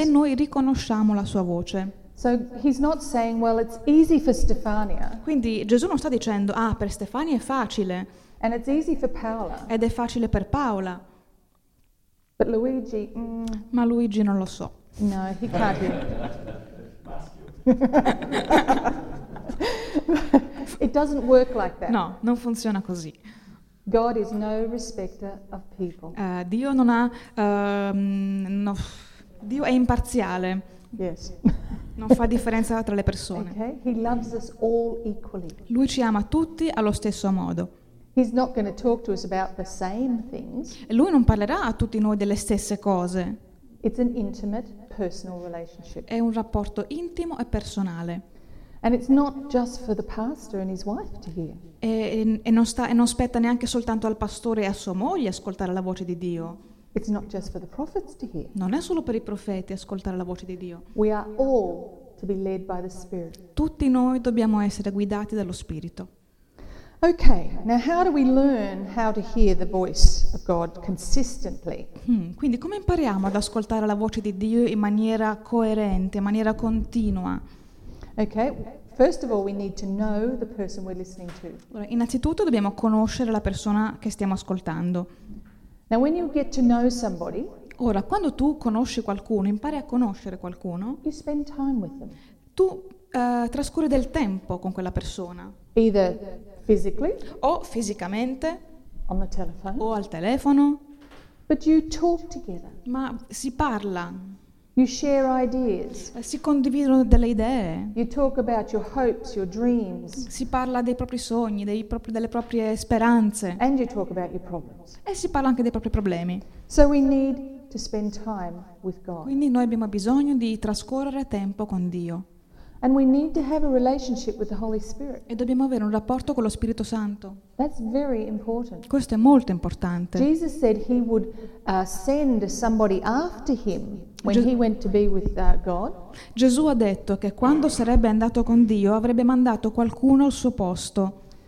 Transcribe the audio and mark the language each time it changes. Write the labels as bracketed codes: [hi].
[it] E noi riconosciamo la sua voce. [en] So he's not saying, well, it's easy for Stefania. [it] Quindi Gesù non sta dicendo, ah, per Stefania è facile. [en] And it's easy for Paola. [it] Ed è facile per Paola. [en] But Luigi, [it] Ma Luigi non lo so. [en] No, he can't hear. It doesn't work like that. [it] No, non funziona così. [en] God is no respecter of people. [it] Dio non ha, no, Dio è imparziale. [en] Yes. [it] Non fa differenza tra le persone. [en] Okay? He loves us all equally. [it] Lui ci ama tutti allo stesso modo. [en] He's not going to talk to us about the same things. [it] E lui non parlerà a tutti noi delle stesse cose. [en] It's an intimate, personal relationship. [it] È un rapporto intimo e personale. [en] And it's not just for the pastor and his wife to hear. [it] E non spetta neanche soltanto al pastore e a sua moglie ascoltare la voce di Dio. [en] It's not just for the prophets to hear. [it] Non è solo per i profeti ascoltare la voce di Dio. [en] We are all to be led by the Spirit. [it] Tutti noi dobbiamo essere guidati dallo Spirito. [en] Okay, now how do we learn how to hear the voice of God consistently? [it] Quindi come impariamo ad ascoltare la voce di Dio in maniera coerente, in maniera continua? [en] Okay, first of all we need to know the person we're listening to. [it] Allora, innanzitutto dobbiamo conoscere la persona che stiamo ascoltando. [en] Now when you get to know somebody, [it] ora quando tu conosci qualcuno, impari a conoscere qualcuno, [en] you spend time with them. [it] Tu trascorri del tempo con quella persona. [en] Either physically, [it] o fisicamente, [en] on the telephone, [it] o al telefono, [en] but you talk together. [it] Ma si parla. [en] You share ideas. [it] Si condividono delle idee. [en] You talk about your hopes, your dreams. [it] Si parla dei propri sogni, delle proprie speranze. [en] And you talk about your problems. [it] E si parla anche dei propri problemi. [en] So we need to spend time with God. [it] Quindi noi abbiamo bisogno di trascorrere tempo con Dio. [en] And we need to have a relationship with the Holy Spirit. [it] E dobbiamo avere un rapporto con lo Spirito Santo. [en] That's very important. [it] Questo è molto importante. [en] Jesus said he would send somebody after him when he went to be with God. [it] Gesù ha detto che quando sarebbe andato con Dio avrebbe mandato qualcuno al suo posto.